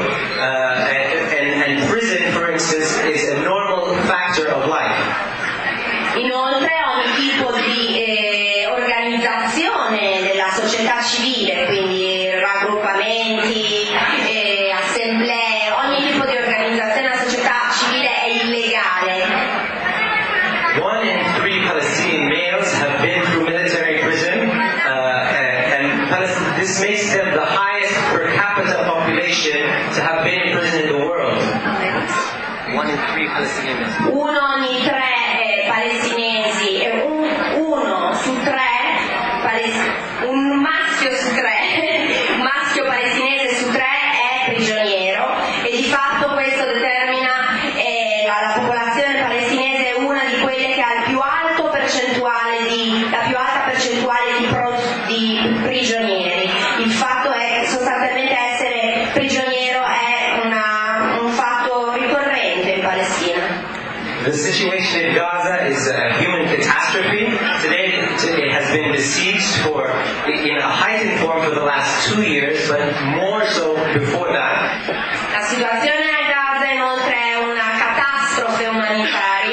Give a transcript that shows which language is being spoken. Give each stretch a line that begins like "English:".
English: And prison, for instance, is a normal factor of life.
Italian: Inoltre ogni tipo di organizzazione della società civile, quindi raggruppamenti, assemblee, ogni tipo di organizzazione della società civile è illegale.
English: One in three Palestinian males have been through military prison, and this makes them the highest per capita population to have been in prison in the world. One in three Palestinian males.
Italian: Uno ogni tre palestinesi e uno su tre, un maschio su tre, un maschio palestinese su tre è prigioniero e di fatto questo determina la popolazione palestinese è una di quelle che ha la più alta percentuale di prigionieri. Il fatto è che sostanzialmente essere prigioniero è un fatto ricorrente in Palestina.
English: The situation in Gaza is a human catastrophe. Today it has been besieged in a heightened form for the last 2 years, but more so before that.
Italian: La situazione a Gaza inoltre è una catastrofe umanitaria.